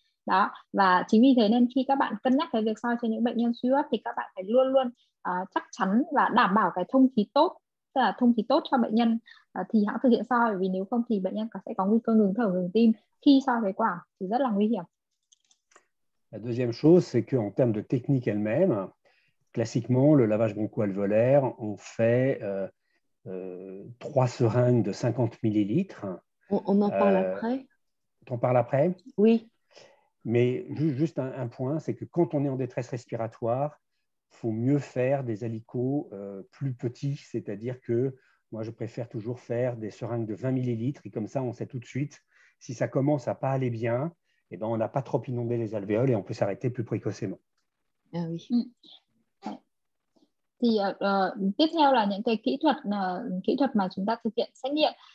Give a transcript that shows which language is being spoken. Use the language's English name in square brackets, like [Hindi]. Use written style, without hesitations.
[Vietnamese] Đó, và chính vì thế nên khi các bạn cân nhắc cái việc soi cho những bệnh nhân suy hô hấp thì các bạn phải luôn luôn chắc chắn và đảm bảo cái thông khí tốt, tức là thông khí tốt cho bệnh nhân thì hãy thực hiện soi, vì nếu không thì bệnh nhân sẽ có nguy cơ ngừng thở, ngừng tim khi soi phế quản thì rất là nguy hiểm. [French] La deuxième chose, c'est que en termes de technique elle-même, classiquement, le lavage bronchoalvéolaire, on fait 3 seringues de 50 millilitres. On en parle après. T'en parles après? Oui. Mais juste un point, c'est que quand on est en détresse respiratoire, il faut mieux faire des alicots plus petits, c'est-à-dire que moi, je préfère toujours faire des seringues de 20 millilitres, et comme ça, on sait tout de suite, si ça commence à pas aller bien, eh ben, on n'a pas trop inondé les alvéoles et on peut s'arrêter plus précocement. Ah oui. [Vietnamese] Thì tiếp theo là những cái kỹ thuật mà chúng ta thực hiện xét nghiệm.